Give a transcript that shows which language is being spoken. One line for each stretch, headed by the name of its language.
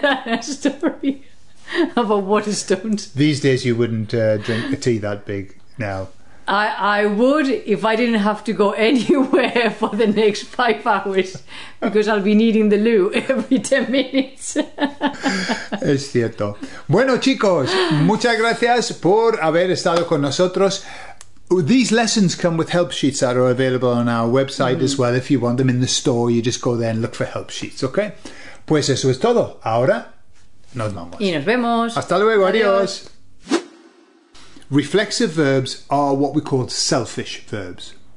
English: A story about Waterstones. These days you wouldn't drink a tea that big now. I would if I didn't have to go anywhere for the next 5 hours, because I'll be needing the loo every 10 minutes.
Spanish: Es cierto. Bueno, chicos, muchas gracias por haber estado con nosotros.
English: These lessons come with help sheets that are available on our website as well. If you want them in the store, you just go there and look for help sheets, okay?
Spanish: Pues eso es todo. Ahora nos vamos. Y nos vemos. Hasta luego. Adiós. Adiós.
English: Reflexive verbs are what we call selfish verbs.